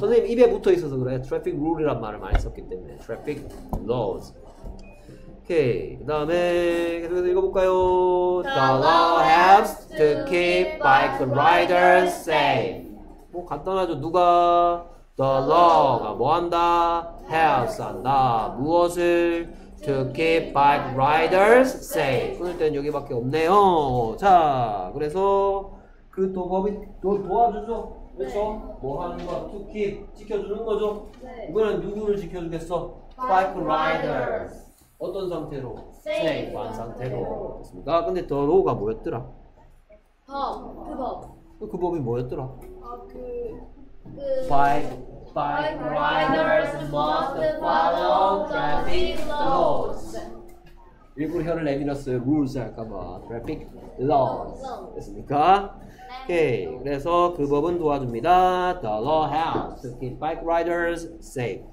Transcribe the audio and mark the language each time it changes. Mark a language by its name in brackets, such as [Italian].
[Korean] 선생님 입에 붙어 있어서 그래. Traffic rule이란 말을 많이 썼기 때문에. Traffic laws. 오케이. 그 다음에 계속해서 읽어볼까요? [English] The law helps to keep bike riders safe. [Korean] 뭐 간단하죠. 누가? The law가 뭐 한다? [English] Helps [Korean] 한다. 무엇을? [English] To keep bike riders safe. [Korean] 끊을 때는 여기밖에 없네요. 자, 그래서 그 도법이 도와주죠. 그렇죠? 네. 뭐 하는 거? To keep 지켜주는 거죠. 네. 이번엔 누구를 지켜주겠어? [English] Bike riders. [Korean] 어떤 상태로? Safe한 상태로. 됐습니다. 근데 더 로우가 뭐였더라? 법. 그 법이 뭐였더라? 아, 그 [English] Bike. Bike riders must follow traffic laws. [Korean] 일부러 혀를 내밀었어요. Rules 할까봐. Traffic laws. 됐습니까? 오케이. 그래서 그 법은 도와줍니다. [English] The law helps to keep bike riders safe.